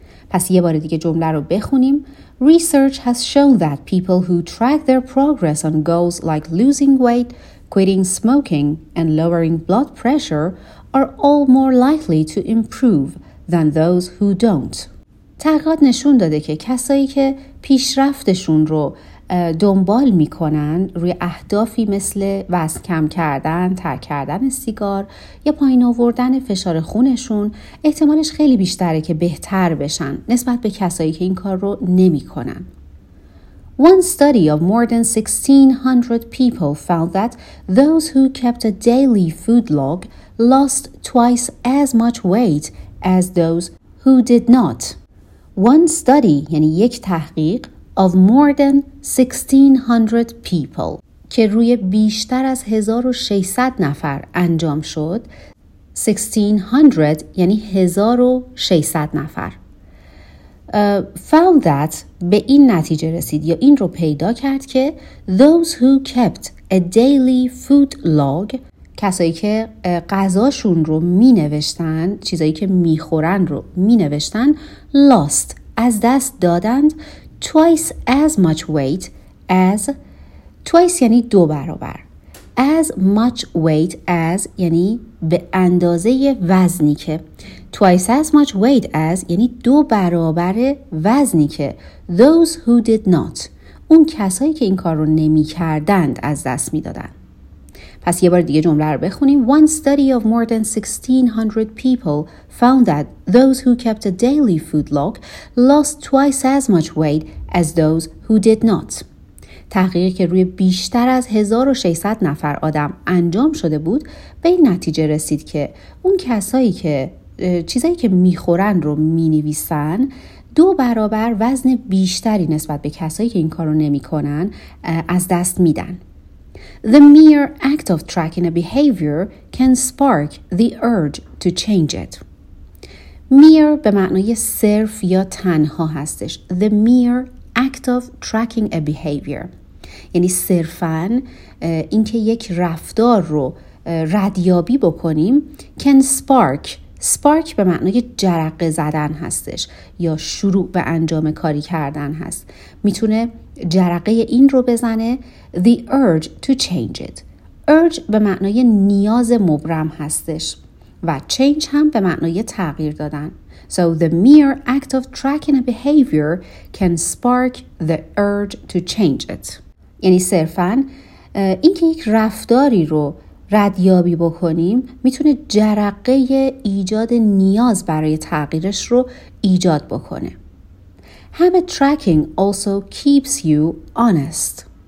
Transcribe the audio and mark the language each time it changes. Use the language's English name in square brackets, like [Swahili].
[Persian] پس یه بار دیگه جمله رو بخونیم. [English] Research has shown that people who track their progress on goals like losing weight, quitting smoking and lowering blood pressure are all more likely to improve than those who don't. [Persian] تحقیقات نشون داده که کسایی که پیشرفتشون رو دنبال میکنن روی اهدافی مثل وزن کم کردن، ترک کردن سیگار یا پایین آوردن فشار خونشون احتمالش خیلی بیشتره که بهتر بشن نسبت به کسایی که این کار رو نمیکنن. [English] One study of more than 1600 people found that those who kept a daily food log lost twice as much weight as those who did not. One study [Persian] یعنی یک تحقیق [English] of more than 1600 people [Persian] که روی بیشتر از 1600 نفر انجام شد. 1600 یعنی 1600 نفر. [English] Found that [Persian] به این نتیجه رسید یا این رو پیدا کرد که [English] those who kept a daily food log [Persian] کسایی که غذاشون رو می نوشتن چیزایی که می خورن رو می نوشتن [English] lost [Persian] از دست دادند [English] twice as much weight as twice [Persian] یعنی دو برابر [English] as much weight as [Persian] یعنی به اندازه وزنی که [English] twice as much weight as [Persian] یعنی دو برابر وزنی که [English] those who did not [Persian] اون کسایی که این کار رو نمی کردند از دست می دادن. پس یه بار دیگه جمله رو بخونیم. [English] One study of more than 1600 people found that those who kept a daily food log lost twice as much weight as those who did not. [Persian] تحقیقی که روی بیشتر از 1600 نفر آدم انجام شده بود به این نتیجه رسید که اون کسایی که چیزایی که میخورن رو مینویسن دو برابر وزن بیشتری نسبت به کسایی که این کار رو نمی کنن از دست میدن. [English] The mere act of tracking a behavior can spark the urge to change it. [Persian] Mere به معنای صرف یا تنها هستش. [English] The mere act of tracking a behavior. [Persian] یعنی صرفاً اینکه یک رفتار رو ردیابی بکنیم [English] can spark. [Persian] Spark به معنای جرقه زدن هستش یا شروع به انجام کاری کردن هست. میتونه جرقه این رو بزنه [English] the urge to change it. [Persian] Urge به معنای نیاز مبرم هستش و change هم به معنای تغییر دادن. [English] So the mere act of tracking a behavior can spark the urge to change it. [Persian] یعنی صرفاً این که یک رفتاری رو ردیابی بکنیم میتونه جرقه ایجاد نیاز برای تغییرش رو ایجاد بکنه. [English] Habit tracking also keeps you honest.